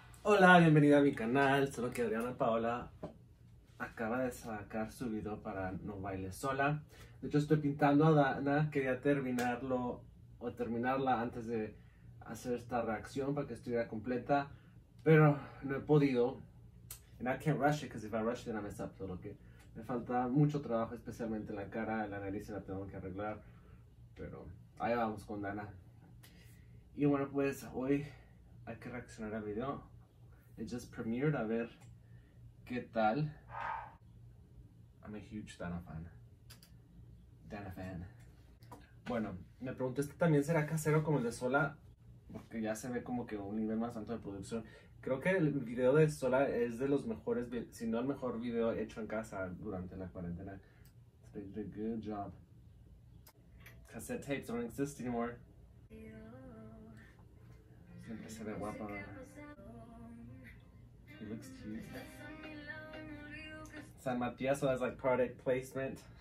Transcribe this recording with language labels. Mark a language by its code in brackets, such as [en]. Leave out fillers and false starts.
[es] Hola, bienvenida a mi canal. Solo que Adriana Paola acaba de sacar su video para No Bailes Sola. De hecho, estoy pintando a Dana. Quería terminarlo o terminarla antes de hacer esta reacción para que estuviera completa, pero no he podido. [en] And I can't rush it, because if I rush it, I mess up. [es] Solo que me falta mucho trabajo, especialmente la cara, la nariz, la tengo que arreglar. Pero ahí vamos con Dana. Y bueno, pues hoy hay que reaccionar al video. [en] It just premiered, [es] a ver qué tal. [en] I'm a huge Dana fan. Dana fan. [es] Bueno, me pregunto, ¿este también será casero como el de Sola? Porque ya se ve como que un nivel más alto de producción. Creo que el video de Sola es de los mejores, si no el mejor video hecho en casa durante la cuarentena. [en] They did a good job. Cassette tapes don't exist anymore. [es] Siempre se ve guapa. [en] It looks cute. San Matias has like product placement.